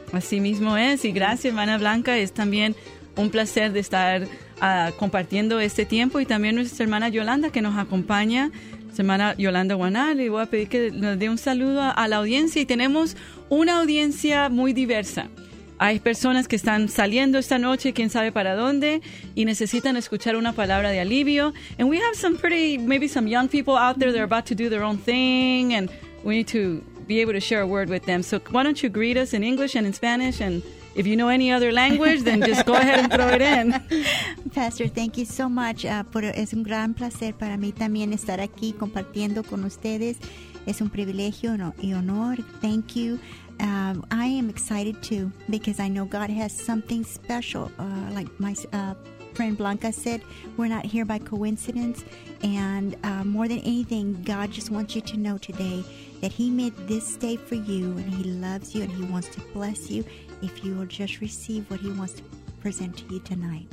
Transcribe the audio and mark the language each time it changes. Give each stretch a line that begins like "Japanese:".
Spanish: Así mismo es, y gracias, hermana Blanca, es también un placer de estar compartiendo este tiempo, y también nuestra hermana Yolanda que nos acompaña, hermana Yolanda Guanal, y voy a pedir que nos dé un saludo a la audiencia. Y tenemos una audiencia muy diversa. Hay personas que están saliendo esta noche, quién sabe para dónde, y necesitan escuchar una palabra de alivio.
English: And we have some pretty, maybe some young people out there that are about to do their own thing, and we need to be able to share a word with them. So why don't you greet us in English and in Spanish, and if you know any other language, then just go ahead and throw it in. Pastor, thank you so much.
Spanish: Es un gran placer para mí también estar aquí compartiendo con ustedes. Es un privilegio y honor.
English: Thank you. I am excited too because I know God has something special. Like my friend Blanca said, we're not here by coincidence. And more than anything, God just wants you to know today that He made this day for you, and He loves you, and He wants to bless you if you will just receive what He wants to present to you tonight.